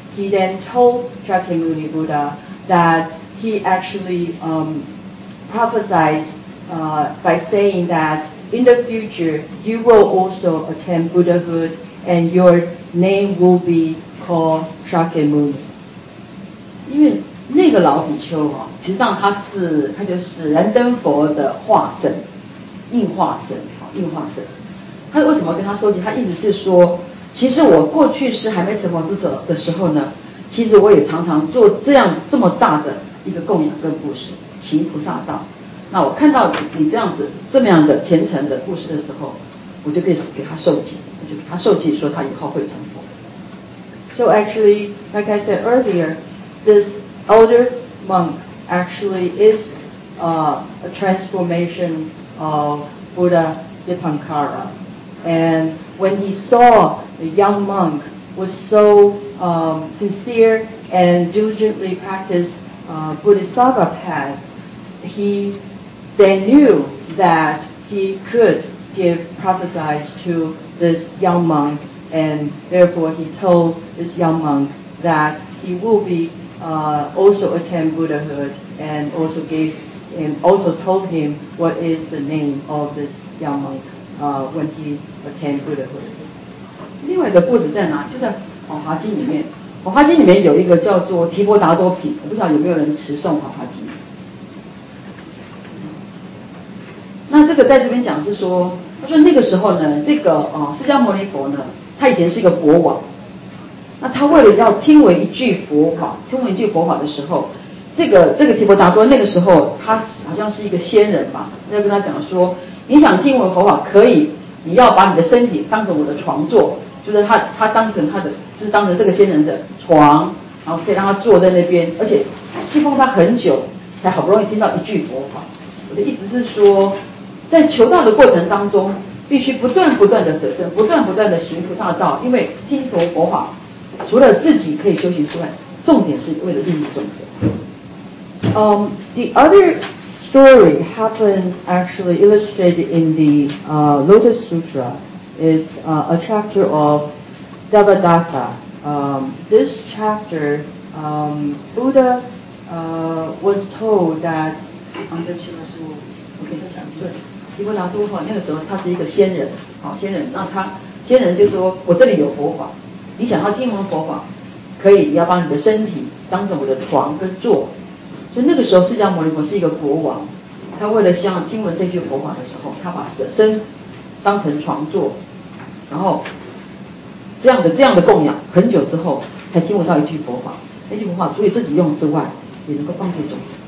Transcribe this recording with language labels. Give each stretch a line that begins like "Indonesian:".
English: he then told Shakyamuni Buddha that he actually prophesied by saying that in the future you will also attend Buddhahood and your name will be called Shakyamuni.
Chinese: 因为那个老比丘啊，其实上他就是燃灯佛的化身，应化身，应化身。他为什么跟他说起？他一直是说，其实我过去是还没成佛之者的时候呢，其实我也常常做这样这么大的一个供养跟布施，行菩萨道。那我看到你这样子这么样的虔诚的布施的时候，我就给他受记，我就给他受记，说他以后会成佛。
English: So actually, like I said earlier. This elder monk actually is a transformation of Buddha Dipankara. And when he saw the young monk was so sincere and diligently practiced Bodhisattva path, he then knew that he could give prophesied to this young monk, and therefore he told this young monk that he will beAlso attend Buddhahood and also gave him, also told him what is the name of this young monk when he attend Buddhahood.
Chinese: 另外的故事在哪？就在《法华经》里面，《法华经》里面有一个叫做提婆达多品，我不晓得有没有人持诵《法华经》。那这个在这边讲是说，他说那个时候呢，这个释迦牟尼佛呢，他以前是一个国王。那他为了要听闻一句佛法，听闻一句佛法的时候，这个提婆达多那个时候他好像是一个仙人吧，那跟他讲说，你想听闻佛法可以，你要把你的身体当成我的床座，就是他当成他的，就是当成这个仙人的床，然后可以让他坐在那边，而且侍奉他很久才好不容易听到一句佛法。我的意思是说，在求道的过程当中必须不断不断的舍身，不断不断的行菩萨道，因为听闻佛法除了自己可以修行之外，重点是为了利益众生。
English: The other story happened actually illustrated in the Lotus Sutra. It's a chapter of Devadatta. This chapter, Buddha was told that.
Chinese: 对不起，老师，我给他讲对。因为南无佛那个时候他是一个仙人，好仙人，那他仙人就说我这里有佛法。你想要听闻佛法可以，你要把你的身体当成我的床跟座。所以那个时候释迦牟尼佛是一个国王，他为了想听闻这句佛法的时候，他把舍身当成床座，然后这样的供养很久之后才听闻到一句佛法，那句佛法除了自己用之外也能够帮助众生。